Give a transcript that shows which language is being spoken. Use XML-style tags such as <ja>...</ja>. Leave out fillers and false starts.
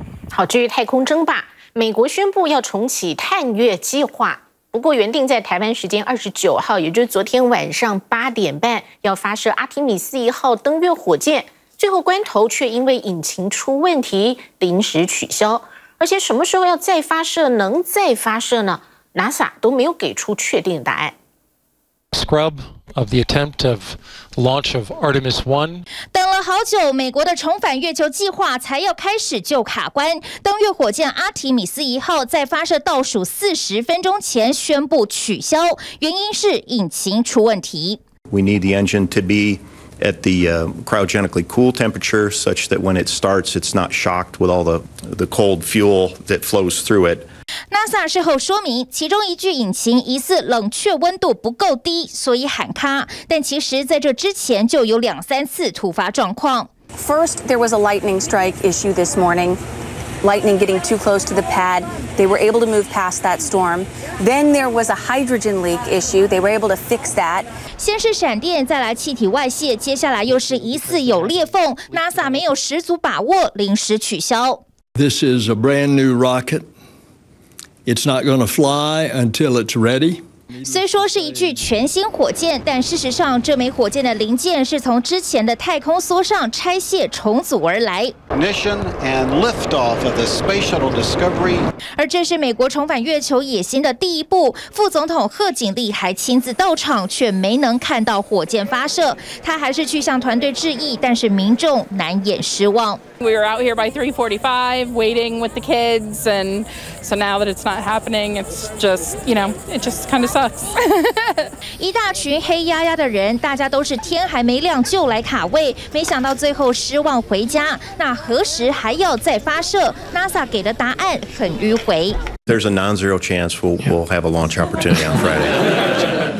<zh>好，至于太空争霸，美国宣布要重启探月计划，不过原定在台湾时间29号，也就是昨天晚上8:30要发射阿提米斯一号登月火箭，最后关头却因为引擎出问题临时取消。而且什么时候要再发射，能再发射呢？ NASA 都没有给出确定的答案。</zh> <en>Scrub of the attempt of launch of Artemis 1.</en> <zh>等了好久，美国的重返月球计划才要开始就卡关。登月火箭阿提米斯一号在发射倒数40分钟前宣布取消，原因是引擎出问题。</zh> <en>We need the engine to be at the cryogenically cool temperature such that when it starts, it's not shocked with all the cold fuel that flows through it.</en> <zh>NASA 事后说明，其中一具引擎疑似冷却温度不够低，所以喊卡。但其实在这之前就有两三次突发状况。</zh> <en>First, there was a lightning strike issue this morning. Lightning getting too close to the pad. They were able to move past that storm. Then there was a hydrogen leak issue. They were able to fix that.</en> <zh>先是闪电，再来气体外泄，接下来又是疑似有裂缝。 NASA 没有十足把握，临时取消。</zh> <en>This is a brand new rocket. It's not going to fly until it's ready.</en> <zh>虽说是一具全新火箭，但事实上这枚火箭的零件是从之前的太空梭上拆卸重组而来。</zh> <en>Ignition and liftoff of the Space Shuttle Discovery.</en> <zh>而这是美国重返月球野心的第一步。副总统贺锦丽还亲自到场，却没能看到火箭发射。他还是去向团队致意，但是民众难掩失望。</zh> <en>We were out here by 3:45, waiting with the kids, and so now that it's not happening, it's just, you know, it just kind of sucks.</en> <zh>一大群黑压压的人，大家都是天还没亮就来卡位，没想到最后失望回家。那何时还要再发射 ？NASA 给的答案很迂回。</zh> <en>There's a non-zero chance we'll have a launch opportunity on Friday.</en>